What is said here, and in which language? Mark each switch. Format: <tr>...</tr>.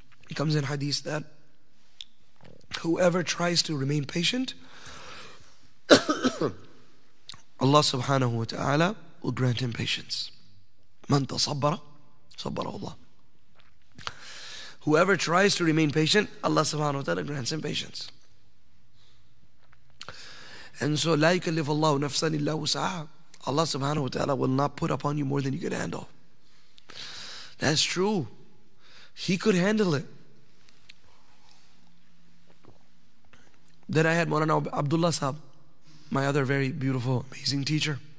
<en>It comes in hadith that whoever tries to remain patient, Allah subhanahu wa ta'ala will grant him patience.</en> <ar>Man tasabbara, sabbara Allah.</ar> <en>Whoever tries to remain patient, Allah subhanahu wa ta'ala grants him patience. And so</en> <ar>لا يكلف الله نفسا إلا وسعها.</ar> <en>Allah subhanahu wa ta'ala will not put upon you more than you can handle. That's true. He could handle it. Then I had Maulana Abdullah Sahab, my other very beautiful, amazing teacher.</en>